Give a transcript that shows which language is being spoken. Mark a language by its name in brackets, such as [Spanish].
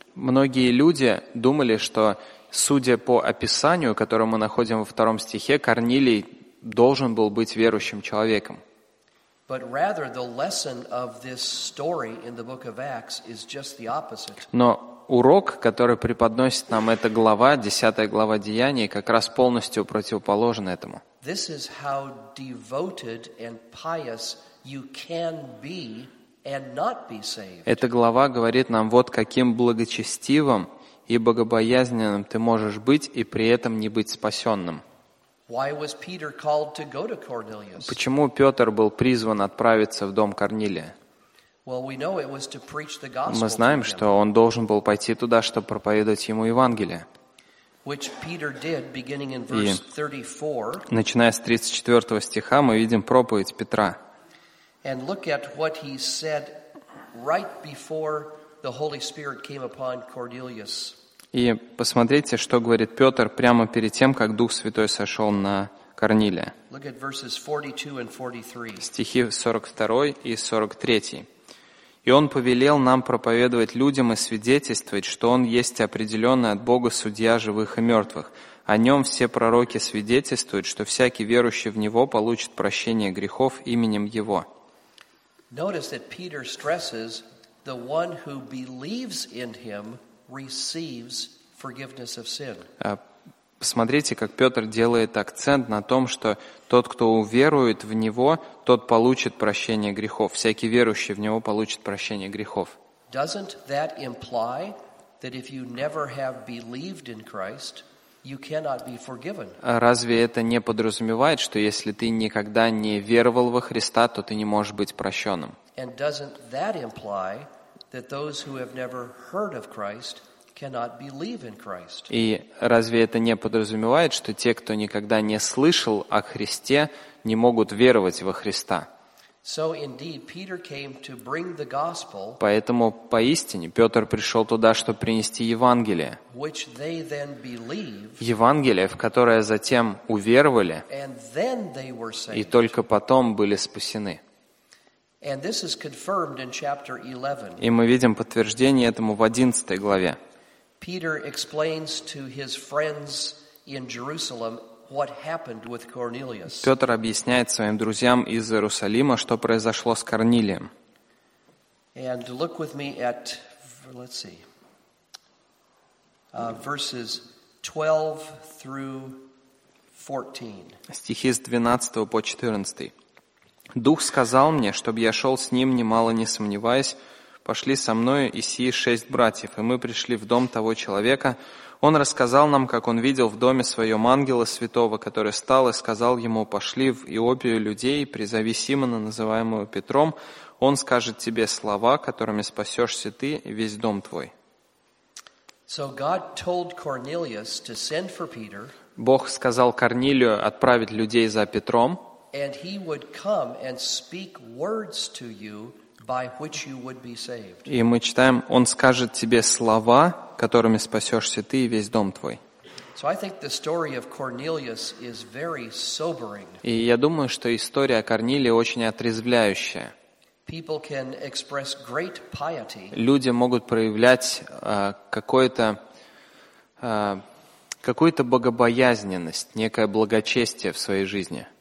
[Russian] Многие люди думали, что, судя по описанию, которое мы находим во втором стихе, Корнилий должен был быть верующим человеком. [English] But rather the lesson of this story in the book of Acts is just the opposite. [Russian] Но урок, который преподносит нам эта глава, 10 глава Деяний, как раз полностью противоположен этому. [English] This is how devoted and pious you can be and not be saved. [Russian] Эта глава говорит нам, вот каким благочестивым и богобоязненным ты можешь быть и при этом не быть спасенным. [English] Why was Peter called to go to Cornelius? [Russian] Почему Петр был призван отправиться в дом Корнилия? [English] Well, we know it was to preach the gospel. [Russian] Мы знаем, что он должен был пойти туда, чтобы проповедовать ему Евангелие. [English] Which Peter did, beginning in verse 34. [Russian] Начиная с 34 стиха, мы видим проповедь Петра. [English] And look at what he said right before the Holy Spirit came upon Cornelius. [Russian] И посмотрите, что говорит Петр прямо перед тем, как Дух Святой сошел на Корнилия. [English] Look at verses 42 and 43. [Russian] Стихи 42 и 43. И он повелел нам проповедовать людям и свидетельствовать, что он есть определенный от Бога судья живых и мертвых. О нем все пророки свидетельствуют, что всякий верующий в него получит прощение грехов именем его. [English] Notice that Peter stresses the one who believes in him receives forgiveness of sin. [Russian] Посмотрите, как Петр делает акцент на том, что тот, кто уверует в Него, тот получит прощение грехов. Всякий верующий в Него получит прощение грехов. [English] Doesn't that imply that if you never have believed in Christ, you cannot be forgiven. [Russian] Разве это не подразумевает, что если ты никогда не веровал во Христа, то ты не можешь быть прощенным? [English] And doesn't that imply that those who have never heard of Christ cannot believe in Christ? [Russian] И разве это не подразумевает, что те, кто никогда не слышал о Христе, не могут веровать во Христа? [English] So indeed, Peter came to bring the gospel. [Russian] Поэтому поистине Петр пришел туда, чтобы принести Евангелие. [English] Which they then believed. [Russian] Евангелие, в которое затем уверовали. [English] And then they were saved. [Russian] И только потом были спасены. [English] And this is confirmed in chapter 11. [Russian] И мы видим подтверждение этому в 11 главе. [English] Peter explains to his friends in Jerusalem. What happened with Cornelius? [Russian] Петр объясняет своим друзьям из Иерусалима, что произошло с Корнилием. [English] And look with me at, let's see, verses 12 through 14. [Russian] Стихи с 12 по 14. Дух сказал мне, чтобы я шел с ним, немало не сомневаясь. Пошли со мною и сии шесть братьев, и мы пришли в дом того человека. Он рассказал нам, как он видел в доме своем ангела святого, который встал и сказал ему: «Пошли в Иопию людей, призови Симона, называемого Петром, он скажет тебе слова, которыми спасешься ты и весь дом твой». [English] So God told Cornelius to send for Peter, [Russian] Бог сказал Корнилию отправить людей за Петром, [English] and he would come and speak words to you by which you would be saved. [Russian] И мы читаем, он скажет тебе слова, которыми спасешься ты и весь дом твой. [English] So I think the story of Cornelius is very sobering. [Russian] И я думаю, что история о Корнилии очень отрезвляющая. [English] People can express great piety. [Russian] Люди могут проявлять какую-то богобоязненность, некое благочестие в своей жизни.